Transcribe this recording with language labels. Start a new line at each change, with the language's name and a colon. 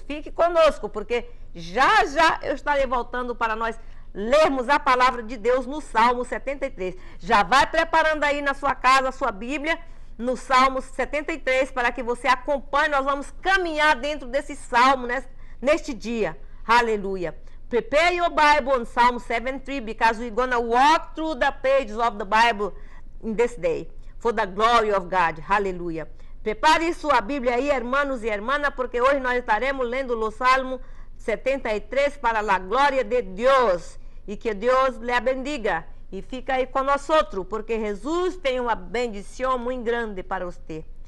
Portuguese: Fique conosco, porque já já eu estarei voltando para nós lermos a palavra de Deus no Salmo 73. Já vai preparando aí na sua casa a sua Bíblia, no Salmo 73, para que você acompanhe. Nós vamos caminhar dentro desse Salmo, né, neste dia. Aleluia.
English: Prepare your Bible in Psalm 73, because we're going to walk through the pages of the Bible in this day, for the glory of God.
Portuguese: Aleluia. Prepare sua Bíblia aí, irmãos e irmãs, porque hoje nós estaremos lendo o Salmo 73 para a glória de Deus. E que Deus lhe abendiga. E fica aí conosco, porque Jesus tem uma bendição muito grande para você.